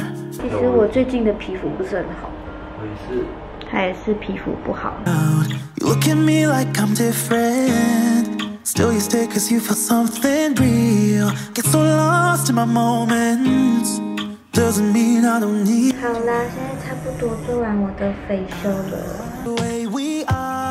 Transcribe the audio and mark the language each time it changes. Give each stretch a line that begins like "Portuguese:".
Chinese: 其实我最近的皮肤不是很好，我也是，皮肤不好。
English: You look at me like I'm different. Still you stay cause you feel something real. Get so lost in my moments. Doesn't mean I don't need.
Chinese: 好啦，现在差不多做完我的facial了。